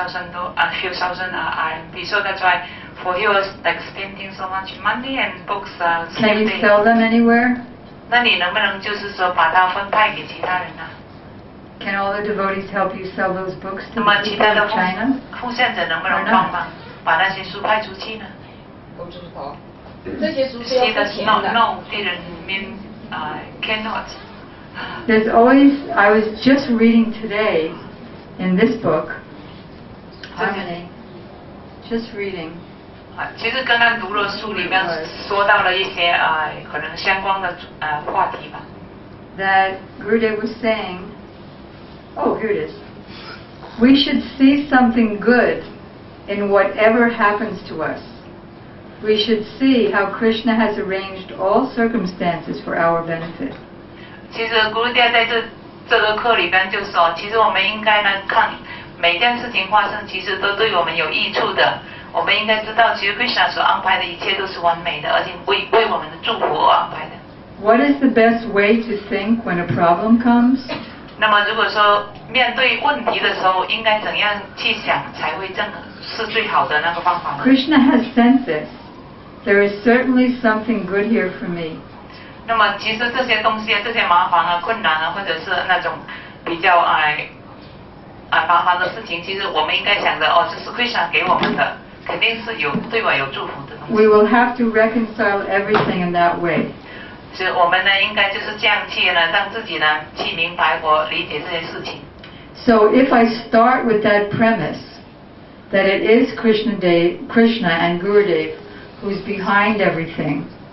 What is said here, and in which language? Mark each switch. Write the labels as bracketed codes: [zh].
[en] Cost a few thousand RMB. So that's why for you was like spending so much money and books. Can you sell them anywhere? [zh] 那你能不能就是说把它分派给其他人呢？ [en] Can all the devotees help you sell those books to people in China? [zh] 那么其他的奉献者能不能帮忙把那些书派出去呢？不知道。那些书是要钱的。 [en] She does not know. Didn't mean. Cannot. There's always. I was just reading today. In this book, Harmony, just reading. [zh] 其实刚刚读了书里面说到了一些可能相关的话题吧。 [en] That Gurudev was saying, oh, here it is. We should see something good in whatever happens to us. We should see how Krishna has arranged all circumstances for our benefit. [zh] 其实 Gurudev 在这个课里边就说，其实我们应该呢看每件事情发生其实都对我们有益处的。我们应该知道其实 Krishna 所安排的一切都是完美的，而且 为我们的祝福而安排的。 [en] What is the best way to think when a problem comes? [zh] 那么如果说面对问题的时候应该怎样去想才会正是最好的那个方法呢？ [en] Krishna has sent this. There is certainly something good here for me. [zh] 那么其实这些东西这些麻烦啊困难啊或者是那种比较麻烦的事情，其实我们应该想的哦，这是 Krishna 给我们的，肯定是有对我有祝福的东西。 [en] We will have to reconcile everything in that way. [zh] 所以我们呢应该就是这样去呢让自己呢去明白我理解这些事情。 [en] So if I start with that premise that it is Krishna, Dev, Krishna and Gurudev who is behind everything.